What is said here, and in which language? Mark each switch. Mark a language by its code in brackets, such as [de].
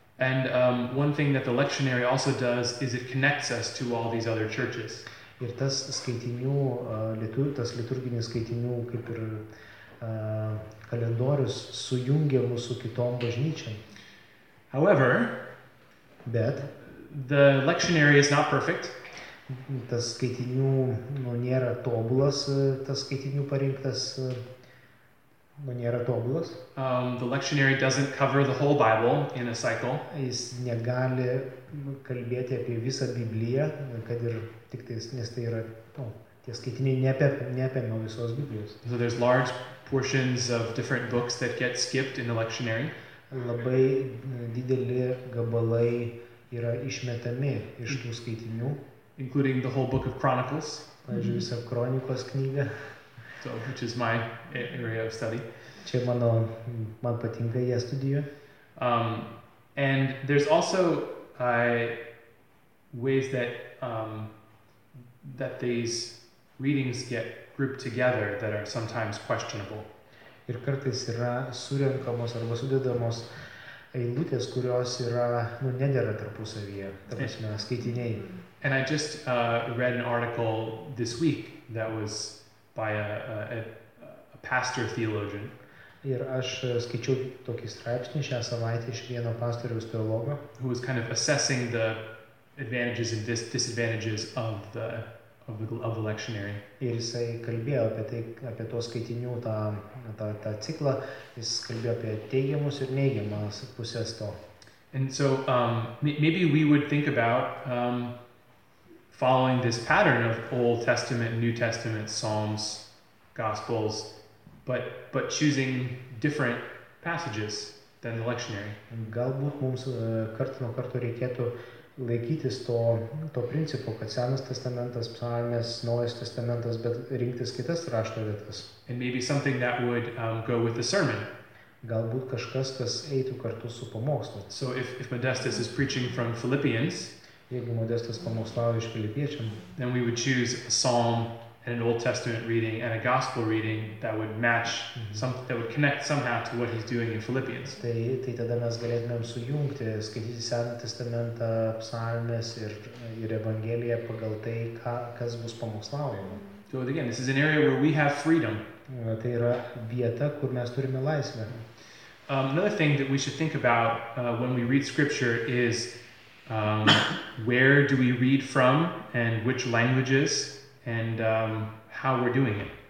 [en] And one thing that the lectionary also does is it connects us to all these other churches. [lt] Ir tas skaitinių, tas liturginis skaitinių kaip ir kalendorius sujungia mūsų kitom bažnyčiam. [en] However, [lt] bet [en] the lectionary is not perfect. [lt] Tas skaitinių nėra tobulas, tas skaitinių parinktas nėra tobulas. [en] The lectionary doesn't cover the whole Bible in a cycle. [lt] Jis negali kalbėti apie visą Bibliją, kad ir tik tais, nes tai yra, tie skaitiniai neapėmė visos Biblijos. [en] So there's large portions of different books that get skipped in the lectionary. [lt] Labai dideli gabalai yra išmetami iš tų skaitinių. [en] Including the whole book of Chronicles. [lt] Pavyzdžiui, visą Kronikos knygą. [en] So, which is my area of study. [lt] Čia mano, man patinka ją studijuoti. [en] And there's also ways that that these readings get grouped together that are sometimes questionable. [lt] Ir kartais yra surenkamos arba sudedamos eilutės, kurios yra nedera tarpusavyje, ta prasme, skaitiniai. [en] And I just read an article this week that was by a pastor theologian. [lt] Ir aš skaičiau tokį straipsnį šią savaitę iš vieno pastoriaus teologo, [en] who was kind of assessing the advantages and disadvantages of the of the lectionary. [lt] Ir jisai kalbėjo apie tai, apie tos skaitinių tą ciklą, jis kalbėjo apie teigiamus ir neigiamas pusės to. [en] And so maybe we would think about following this pattern of Old Testament, New Testament, Psalms, Gospels, but choosing different passages than the lectionary. [lt] Galbūt mums kartu nuo kartu reikėtų laikytis to principo, kad Senas Testamentas, Psalmės, Naujas Testamentas, bet rinktis kitas rašto vietas. [en] And maybe something that would go with the sermon. [lt] Galbūt kažkas, kas eitų kartu su pamokslu. [en] So if Modestus is preaching from Philippians, [lt] jeigu Modestas pamokslauja iš Filipiečiam, [en] then we would choose a psalm and an Old Testament reading and a gospel reading that would match that would connect somehow to what he's doing in Philippians. [lt] Tai tada mes galėtumėm sujungti, skaityti Seną Testamentą, psalmes ir evangeliją pagal tai, kas bus pamokslaujama. [en] So again, this is an area where we have freedom. [lt] Tai yra vieta, kur mes turime laisvę. [en] Another thing that we should think about when we read scripture is where do we read from and which languages and how we're doing it.